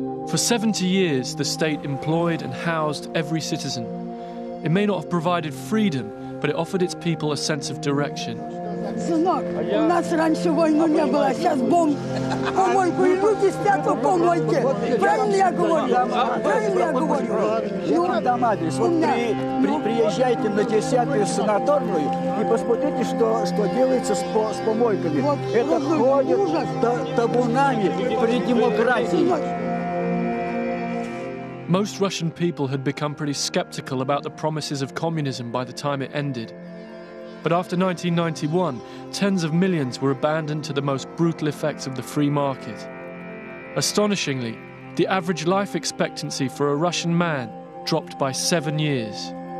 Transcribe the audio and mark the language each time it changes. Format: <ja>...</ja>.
<en>For 70 years, the state employed and housed every citizen. It may not have provided freedom, but it offered its people a sense of direction.</en> <ru>Сынок, у нас раньше войны не было, сейчас бомб. Помойку идут и спят в помойке. Правильно я говорю? Правильно я говорю? Вот там адрес. Вот приезжайте на 10-ю санаторную и посмотрите, что делается с помойками. Это ходит табунами при демократии.</ru> <en>Most Russian people had become pretty skeptical about the promises of communism by the time it ended. But after 1991, tens of millions were abandoned to the most brutal effects of the free market. Astonishingly, the average life expectancy for a Russian man dropped by 7 years.</en>